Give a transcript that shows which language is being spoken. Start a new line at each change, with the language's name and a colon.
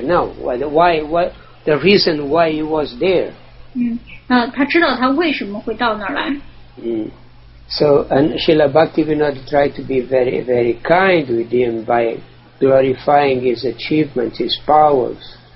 English: No, why the reason why he was there.
Chinese: 他知道他为什么会到那儿来。
English: So and Srila Bhaktivinoda tried to be very, very kind with him by glorifying his achievements, his powers.